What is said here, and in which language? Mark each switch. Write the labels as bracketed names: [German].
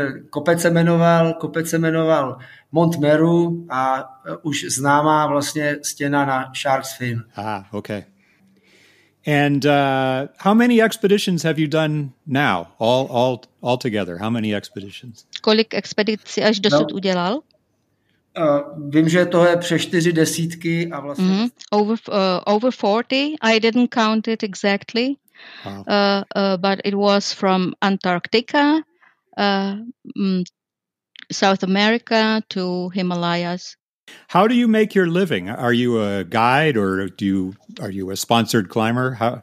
[Czech] kopec se jmenoval Mont Meru a už známá vlastně stěna na Shark's Fin. [English] Ah, okay. And how many expeditions have you done now? All together. How many expeditions? [Czech] Kolik expedicí až dosud udělal? Vím, že to je přes 4 desítky a vlastně [English] over 40. I didn't count it exactly. But it was from Antarctica, South America to Himalayas. How do you make your living? Are you a guide or are you a sponsored climber?